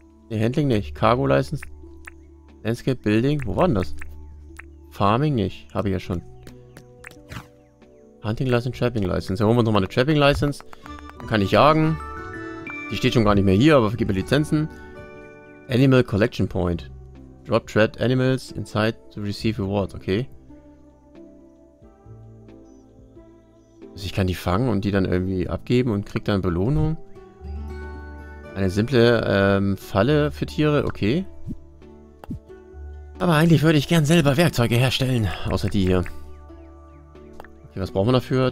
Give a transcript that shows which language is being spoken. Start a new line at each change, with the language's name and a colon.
German: Nee, Handling nicht.
English: Cargo License. Landscape Building.
German: Wo war denn das? Farming nicht. Habe ich ja schon.
English: Hunting License, Trapping License.
German: Dann holen wir uns nochmal eine Trapping License. Dann kann ich jagen. Die steht schon gar nicht mehr hier, aber vergib mir Lizenzen.
English: Animal Collection Point. Drop Trapped Animals inside to receive rewards. Okay.
German: Also ich kann die fangen und die dann irgendwie abgeben und krieg dann Belohnung. Eine simple Falle für Tiere. Okay. Aber eigentlich würde ich gern selber Werkzeuge herstellen. Außer die hier. Okay, was brauchen wir dafür?